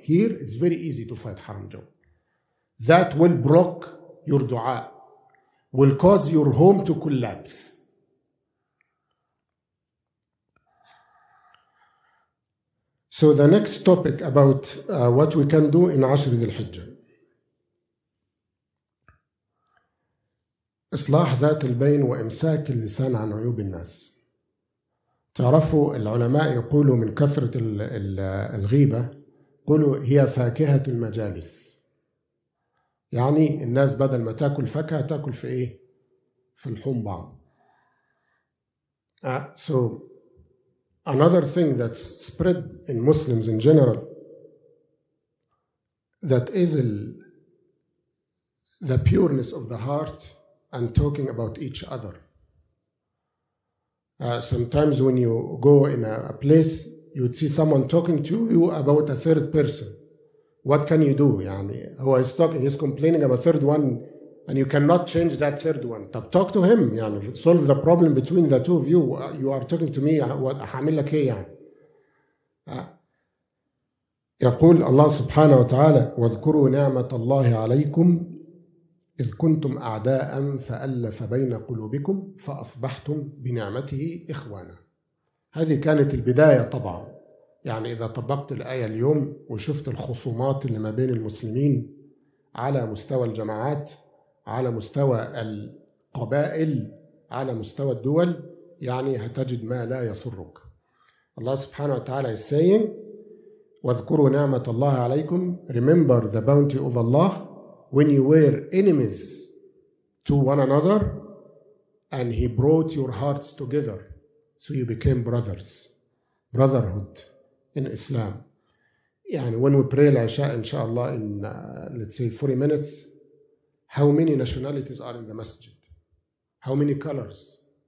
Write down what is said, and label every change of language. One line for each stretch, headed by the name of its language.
English: Here, it's very easy to find haram job. That will block your dua, will cause your home to collapse. So the next topic about what we can do in Ashr al-Hijjah.
Arabic: إصلاح ذات البين وإمساك اللسان عن عيوب الناس. تعرفوا العلماء يقولوا من كثرة الغيبة قولوا هي فاكهة المجالس, يعني الناس بدل ما تأكل فاكهة تأكل في إيه؟ في الحوم بعض.
English: So another thing that's spread in Muslims in general, that is the pureness of the heart and talking about each other. Sometimes when you go in a place, you see someone talking to you about a third person. What can you do? يعني, who is talking, he's complaining about a third one, and you cannot change that third one. Talk to him, يعني, solve the problem between the two of you. You are talking to me, what
Arabic: حامل لك إيه يعني. يقول الله سبحانه وتعالى, واذكروا نعمة الله عليكم إذ كنتم أعداء فألف بين قلوبكم فأصبحتم بنعمته إخوانا. هذه كانت البداية طبعا, يعني إذا طبقت الآية اليوم وشفت الخصومات اللي ما بين المسلمين على مستوى الجماعات, على مستوى القبائل, على مستوى الدول, يعني هتجد ما لا يسرك. الله سبحانه وتعالى
English: is saying,
Arabic: واذكروا نعمة الله عليكم.
English: Remember the bounty of Allah when you were enemies to one another and he brought your hearts together, so you became brothers, brotherhood in Islam. يعني when we pray العشاء inshallah in let's say 40 minutes, how many nationalities are in the masjid? How many colors?